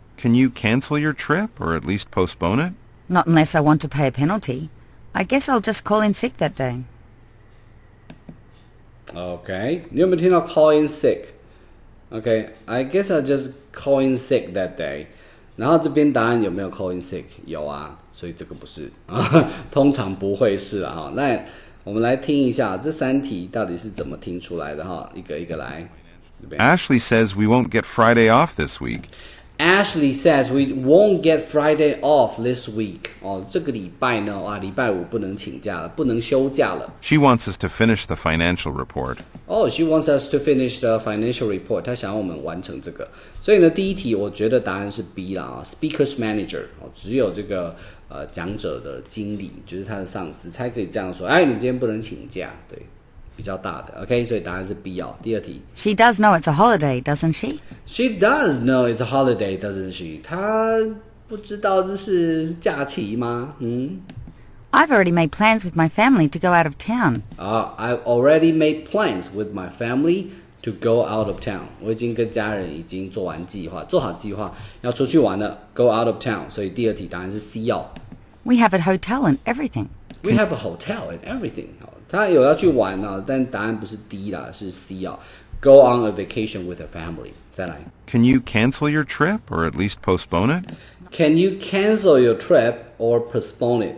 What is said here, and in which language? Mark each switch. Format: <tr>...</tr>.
<en>Can you cancel your trip or at least postpone it? Not unless I want to pay a penalty. I guess I'll just call in sick that day.</en> <zh>Okay. 你有没有听到 call in sick?</zh> <en>Okay. I guess I'll just call in sick that day.</en> <zh>然后这边答案有没有 call in sick？有啊，所以这个不是啊，通常不会是啊。那我们来听一下这三题到底是怎么听出来的哈，一个一个来。</zh> <en>Ashley says we won't get Friday off this week. Ashley says we won't get Friday off this week.</en> <zh>哦，这个礼拜呢，哇，礼拜五不能请假了，不能休假了。</zh> <en>She wants us to finish the financial report. Oh, she wants us to finish the financial report.</en> <zh>她想要我们完成这个。所以呢，第一题我觉得答案是 B 啦。 Speaker's manager，只有这个讲者的经理，就是他的上司，才可以这样说。哎，你今天不能请假，对。比较大的 ，OK， 所以答案是 B 哦。第二题</zh> <en>，She does know it's a holiday, doesn't she? She does know it's a holiday, doesn't she?</en> <zh>她不知道这是假期吗？</zh> <en>I've already made plans with my family to go out of town. I've already made plans with my family to go out of town.</en> <zh>我已经跟家人已经做完计划，做好计划要出去玩了。 Go out of town，所以第二题答案是 C 哦。</zh> <en>We have a hotel and everything. We have a hotel and everything.</en> <zh>他有要去玩啊，但答案不是 D 啦，是 C 啊。</zh> <en>Go on a vacation with a family. 再来。 Can you cancel your trip or at least postpone it? Can you cancel your trip or postpone it?</en>